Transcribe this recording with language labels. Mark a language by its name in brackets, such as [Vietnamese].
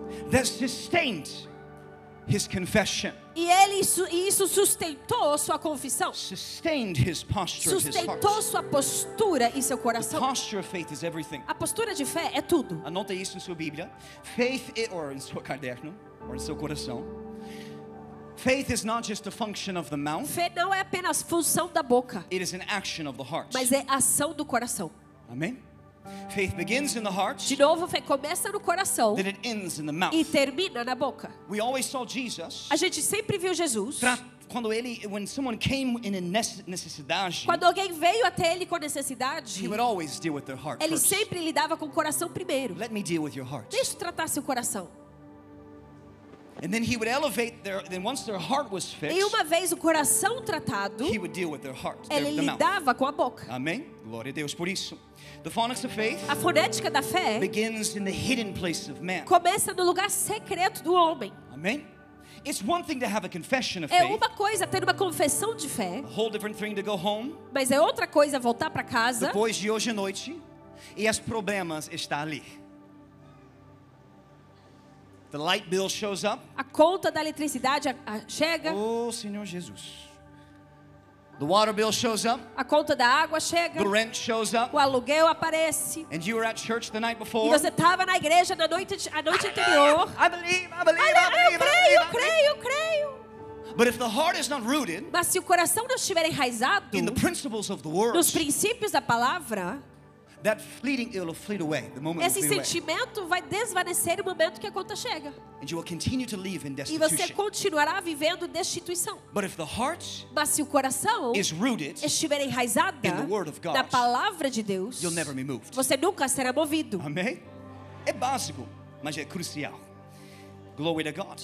[English] That sustained his confession. [Portuguese] E ele isso sustentou sua confissão. [English] Sustained his posture. [Portuguese] Sustentou [English] his [Portuguese] sua postura e seu coração. [English] The posture of faith is everything. [Portuguese] A postura de fé é tudo. Anota isso em sua Bíblia. [English] Faith or in [Portuguese] seu caderno or em seu coração. [English] Faith is not just a function of the mouth. [Portuguese] Fé não é apenas função da boca. [English] It is an action of the heart. [Portuguese] Mas é ação do coração. [English] Amém. Faith begins in the heart. [Portuguese] De novo, fé começa no coração. [English] Then it ends in the mouth. [Portuguese] E termina na boca. [English] We always saw Jesus. [Portuguese] A gente sempre viu Jesus. [English] When someone came in a necessidade. [Portuguese] Quando alguém veio até ele com necessidade. [English] He would always deal with their heart. [Portuguese] Ele [English] first. [Portuguese] Sempre lidava com o coração primeiro. [English] Let me deal with your heart. [Portuguese] Deixa eu tratar seu coração. [English] And then he would elevate their. Then once their heart was fixed, [Portuguese] e uma vez o coração tratado, [English] he would deal with their heart. [Portuguese] Ele lidava com a boca. Amém. Glória a Deus por isso. [English] The phonics of faith. [Portuguese] A fonética da fé [English] begins in the hidden place of man. [Portuguese] Começa no lugar secreto do homem. Amém. [English] It's one thing to have a confession of [Portuguese] faith. É uma coisa ter uma confissão de fé. [English] A whole different thing to go home. [Portuguese] Mas é outra coisa voltar para casa. Depois de hoje à noite, e os problemas estão ali. [English] The light bill shows up. [Portuguese] A conta da eletricidade chega. Oh, Senhor Jesus. [English] The water bill shows up. [Portuguese] A conta da água chega. [English] The rent shows up. [Portuguese] O aluguel aparece. [English] And you were at church the night before. [Portuguese] E você estava na igreja na noite a noite anterior. [English] I believe. But if the heart is not rooted, [Portuguese] mas se o coração não estiver enraizado, [English] in the principles of the word, [Portuguese] nos princípios da palavra, [English] that fleeting it'll fleet away the moment. [Portuguese] Esse sentimento vai desvanecer no momento que a conta chega. [English] And you will continue to live in destitution. [Portuguese] E você continuará vivendo destituição. [English] But if the heart, [Portuguese] mas se o coração [English] is rooted, [Portuguese] estiver enraizado [English] in the word of God, [Portuguese] na palavra de Deus, [English] you'll never be moved. [Portuguese] Você nunca será movido. Amém? É básico, mas é crucial. [English] Glory to God.